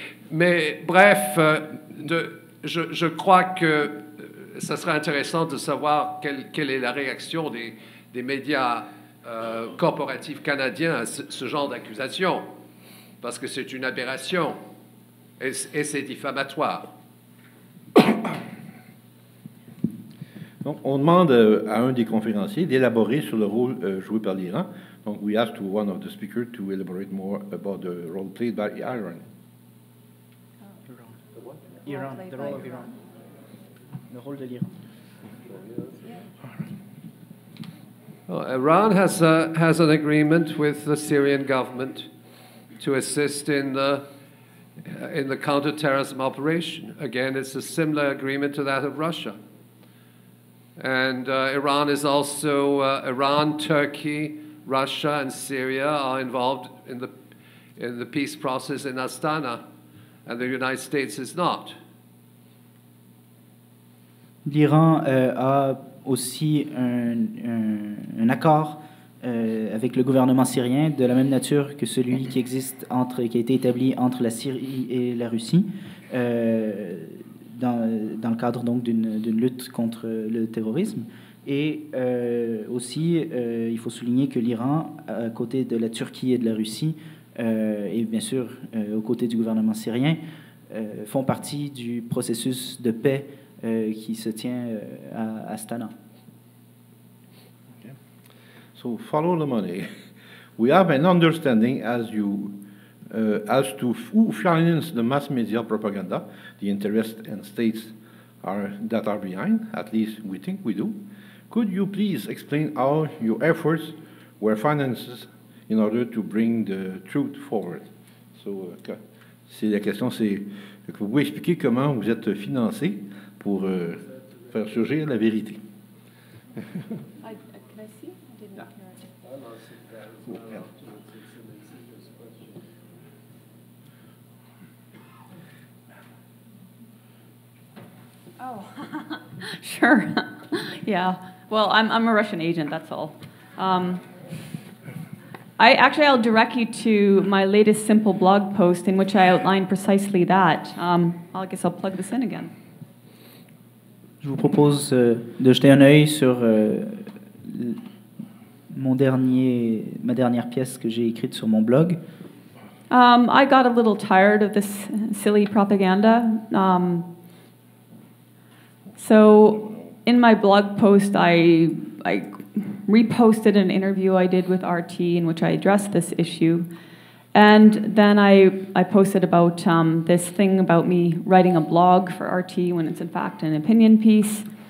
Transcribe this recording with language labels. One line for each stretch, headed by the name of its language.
French: Mais bref, je crois que ça serait intéressant de savoir quelle est la réaction des médias corporatifs canadiens à ce genre d'accusation, parce que c'est une aberration. Et c'est diffamatoire. Donc, on demande à un des conférenciers d'élaborer sur le rôle joué par l'Iran.
English: Donc, we ask to one of the speakers to elaborate more about the role played by Iran. Iran. The role played by Iran.
French: Le rôle de l'Iran.
English: Well, Iran has an agreement with the Syrian government to assist in the counterterrorism operation. Again, it's a similar agreement to that of Russia. And Iran is also, Iran, Turkey, Russia, and Syria are involved in the peace process in Astana, and the United States is not.
French: L'Iran a aussi un accord avec le gouvernement syrien, de la même nature que celui qui existe entre, qui a été établi entre la Syrie et la Russie, dans le cadre donc d'une lutte contre le terrorisme. Et aussi, il faut souligner que l'Iran, à côté de la Turquie et de la Russie, et bien sûr aux côtés du gouvernement syrien, font partie du processus de paix qui se tient à Astana.
English: So follow the money. We have an understanding as to who finances the mass media propaganda, the interests and states that are behind, at least we think we do. Could you please explain how your efforts were financed in order to bring the truth forward?
French: So c'est la question, c'est que vous pouvez expliquer comment vous êtes financé pour faire surgir la vérité.
English: Oh, sure. Yeah. Well, I'm a Russian agent, that's all. I'll direct you to my latest simple blog post in which I outline precisely that. I guess I'll plug this in again.
French: Je vous propose de jeter un œil sur ma dernière pièce que j'ai écrite sur mon blog.
English: I got a little tired of this silly propaganda. So in my blog post, I reposted an interview I did with RT in which I addressed this issue. And then I posted about this thing about me writing a blog for RT when it's in fact an opinion piece.